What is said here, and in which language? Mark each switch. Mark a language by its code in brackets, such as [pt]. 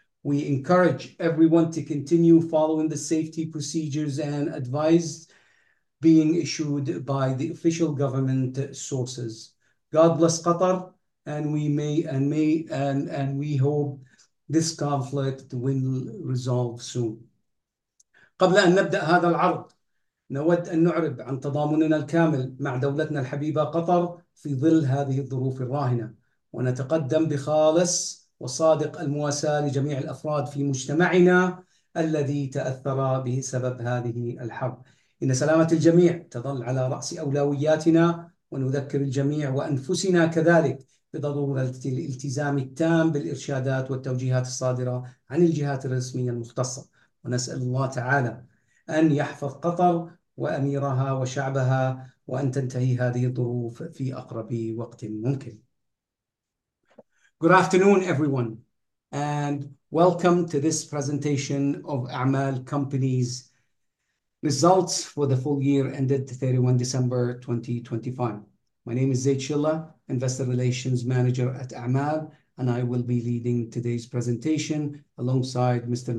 [en] We encourage everyone to continue following the safety procedures and advice being issued by the official government sources. God bless Qatar, and we hope this conflict will resolve soon. [ar] قبل أن نبدأ هذا العرض، نود أن نعرب عن تضامننا الكامل مع دولتنا الحبيبة قطر في ظل هذه الظروف الراهنة، ونتقدم بخالص وصادق المواساة لجميع الأفراد في مجتمعنا الذي تأثر بسبب هذه الحرب. إن سلامة الجميع تظل على رأس أولوياتنا، ونذكر الجميع وأنفسنا كذلك بضرورة الالتزام التام بالإرشادات والتوجيهات الصادرة عن الجهات الرسمية المختصة، ونسأل الله تعالى أن يحفظ قطر وأميرها وشعبها، وأن تنتهي هذه الظروف في أقرب وقت ممكن. [en] Good afternoon, everyone, and welcome to this presentation of A'mal Company's results for the full year ended 31 December 2025. My name is Zaid Shilleh, Investor Relations Manager at A'mal, and I will be leading today's presentation alongside Mr.